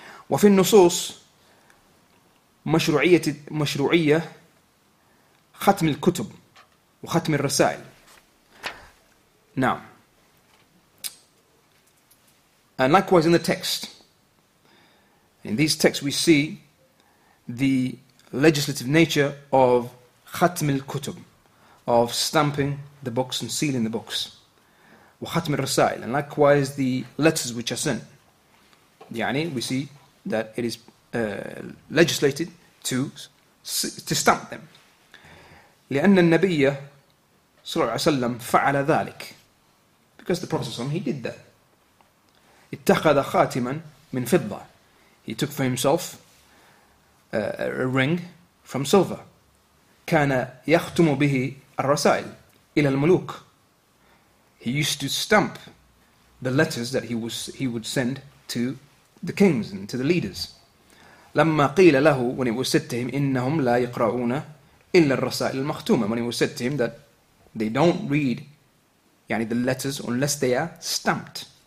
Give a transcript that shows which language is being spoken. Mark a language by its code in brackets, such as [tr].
[ar] وَفِي النُّصُوصِ مَشْرُعِيَّةِ ختم الكتب وختم الرسائل. [en] Now, and likewise in the text, in these texts we see the legislative nature of [ar] ختم الكتب, [en] of stamping the books and sealing the books. [ar] وختم الرسائل, [en] and likewise the letters which are sent. يعني we see that it is legislated to stamp them. [ar] لأن النبي صلى الله عليه وسلم فعل ذلك. [en] Because the Prophet صلى الله عليه وسلم, he did that. [ar] اتخذ خاتما من فضة. [en] He took for himself a ring from silver. [ar] كان يختم به الرسائل إلى الملوك. [en] He used to stamp the letters that he would send to the kings and to the leaders. [ar] لما قيل له, [en] when it was said to him, [ar] إنهم لا يقرؤون إلا الرسائل المختومة, [en] when it was said to him that they don't read يعني the letters unless they are stamped.